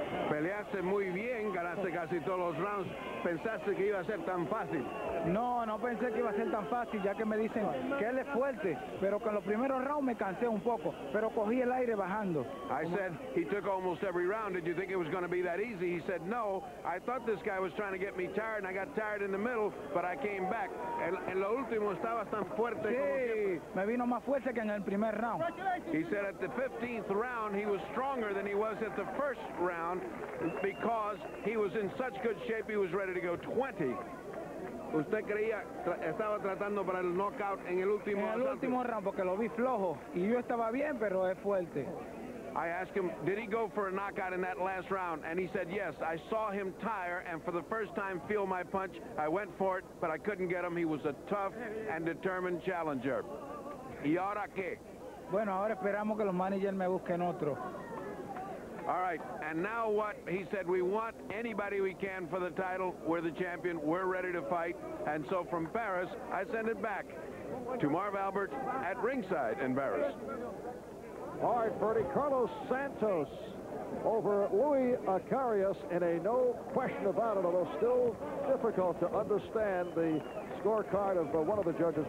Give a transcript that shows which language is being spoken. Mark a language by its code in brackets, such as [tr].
[es] Peleaste muy bien, ganaste casi todos los rounds. ¿Pensaste que iba a ser tan fácil? No pensé que iba a ser tan fácil, ya que me dicen que él es fuerte, pero que en los primeros rounds me cansé un poco, pero cogí el aire bajando. [en] I said, he took almost every round. Did you think it was going to be that easy? He said, no. I thought this guy was trying to get me tired, and I got tired in the middle, but I came back. [es] En lo último estaba tan fuerte. Sí, me vino más fuerte que en el primer round. [en] He said at the 15th round, he was stronger than he was at the first round, because he was in such good shape, he was ready to go 20. [es] ¿Usted creía estaba tratando para el knockout en el último round? En el último round, porque lo vi flojo. Y yo estaba bien, pero es fuerte. [en] I asked him, did he go for a knockout in that last round? And he said, yes, I saw him tire, and for the first time feel my punch. I went for it, but I couldn't get him. He was a tough and determined challenger. [es] ¿Y ahora qué? Bueno, ahora esperamos que los managers me busquen otro. [en] All right, and now what? He said, we want anybody we can for the title. We're the champion. We're ready to fight. And so from Paris, I send it back to Marv Albert at ringside in Paris. All right, Ferdy, Carlos Santos over Louis Acaries in a no question about it, although still difficult to understand the scorecard of one of the judges.